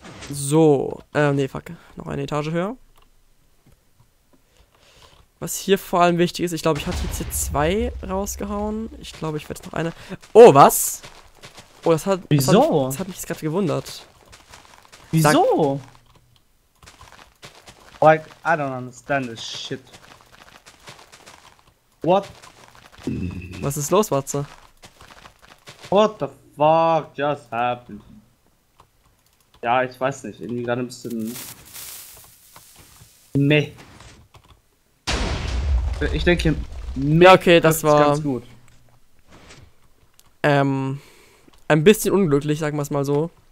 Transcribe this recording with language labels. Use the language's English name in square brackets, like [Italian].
[German] So. Nee, fuck. Noch eine Etage höher. Was hier vor allem wichtig ist, ich glaube, ich hatte jetzt hier zwei rausgehauen. Ich glaube, ich werde jetzt noch eine. Oh, was? Oh, das hat. Wieso? Das hat mich jetzt gerade gewundert. Wieso? [English] Like, I don't understand this shit. What? [German] Was ist los, Watze? [English] What the fuck just happened? [German] Ja, ich weiß nicht, irgendwie gerade ein bisschen... Meh. Ich denke, meh. Ja, okay, das war... ganz gut. Ein bisschen unglücklich, sagen wir es mal so.